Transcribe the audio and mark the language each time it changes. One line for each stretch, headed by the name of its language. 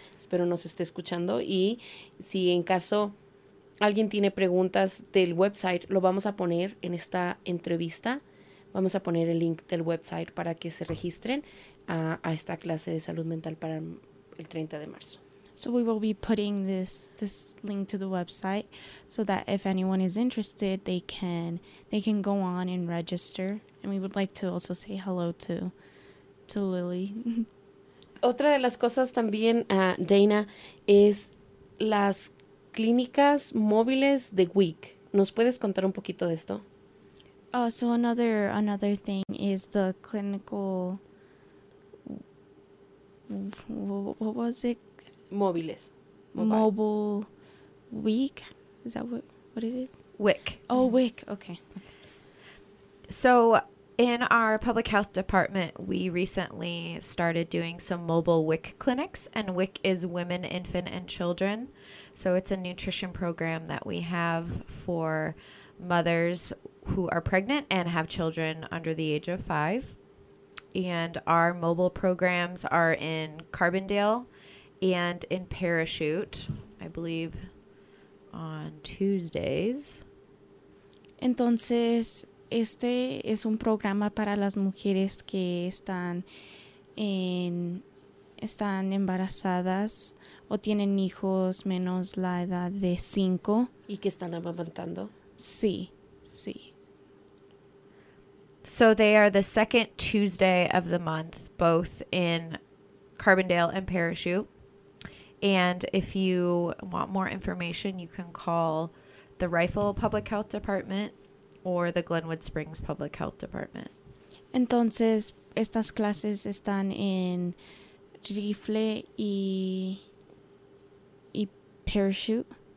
Spanish: Espero nos esté escuchando y si en caso alguien tiene preguntas del website, lo vamos a poner en esta entrevista. Vamos a poner el link del website para que se registren a esta clase de salud mental para el 30 de marzo.
English: So we will be putting this link to the website so that if anyone is interested, they can go on and register. And we would like to also say hello to Lily.
Spanish: Otra de las cosas también, Dana, es las clínicas móviles de WIC. ¿Nos puedes contar un poquito de esto?
English: So another thing is the clinical... What was it?
Spanish: Móviles.
English: Mobile WIC? Is that what it is? WIC. Oh, yeah. WIC. Okay. So in our public health department, we recently started doing some mobile WIC clinics, and WIC is Women, Infant, and Children. So it's a nutrition program that we have for mothers who are pregnant and have children under the age of 5. And our mobile programs are in Carbondale and in Parachute, I believe, on Tuesdays.
Spanish: Entonces, este es un programa para las mujeres que están embarazadas o tienen hijos menos la edad de 5. ¿Y que están amamantando? Sí, sí.
English: So they are the second Tuesday of the month, both in Carbondale and Parachute. And if you want more information, you can call the Rifle Public Health Department or the Glenwood Springs Public Health Department.
Spanish: Entonces, estas clases están en Rifle y Parachute.